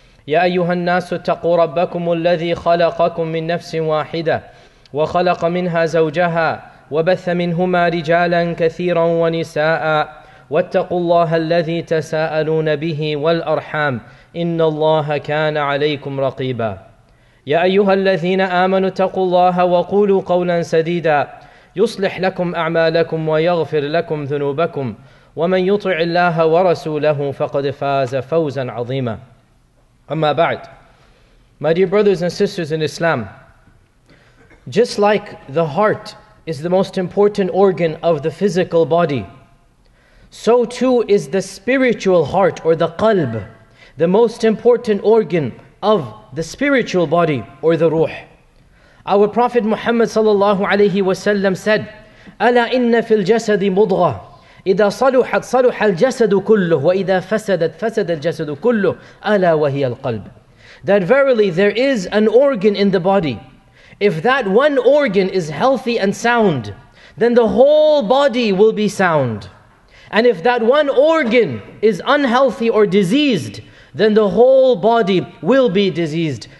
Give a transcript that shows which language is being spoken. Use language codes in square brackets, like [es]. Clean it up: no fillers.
[ar] يا أيها الناس اتقوا ربكم الذي خلقكم من نفس واحدة وخلق منها زوجها وبث منهما رجالا كثيرا ونساء، واتقوا الله الذي تساءلون به والأرحام، إن الله كان عليكم رقيبا. يا أيها الذين آمنوا اتقوا الله وقولوا قولا سديدا يصلح لكم أعمالكم ويغفر لكم ذنوبكم، ومن يطع الله ورسوله فقد فاز فوزا عظيما. [en] Amma ba'd. My dear brothers and sisters in Islam, just like the heart is the most important organ of the physical body, so too is the spiritual heart, or the qalb, the most important organ of the spiritual body, or the ruh. Our Prophet Muhammad sallallahu alayhi wa sallam said, [ar] أَلَا إِنَّ فِي الْجَسَدِ مُضْغَةٍ إِذَا صَلُحَتْ صَلُحَ الْجَسَدُ كُلُّهُ وَإِذَا فَسَدَتْ فَسَدَ الْجَسَدُ كُلُّهُ أَلَا وَهِيَ الْقَلْبُ. [en] That verily there is an organ in the body. If that one organ is healthy and sound, then the whole body will be sound. And if that one organ is unhealthy or diseased, then the whole body will be diseased.